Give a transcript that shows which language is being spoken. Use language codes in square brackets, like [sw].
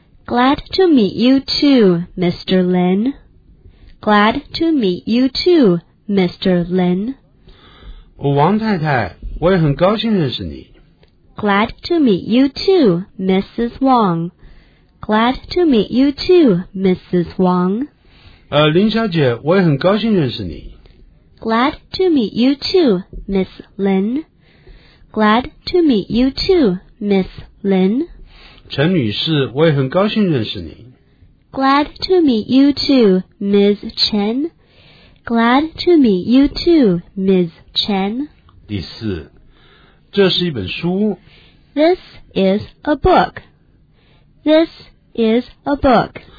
[en] Glad to meet you too, Mr. Lin. Glad to meet you too, Mr. Lin. [zh] 我王太太，我也很高兴认识你。 [en] Glad to meet you too, Mrs. Wang. Glad to meet you too, Mrs. Wang. [zh] 林小姐，我也很高兴认识你。 [en] Glad to meet you too, Miss Lin. Glad to meet you too. Miss Lin. [zh] 陈女士，我也很高兴认识你。 [en] Glad to meet you too, Ms. Chen. Glad to meet you too, Ms. Chen. [zh] 第四，这是一本书。 [en] This is a book. This is a book.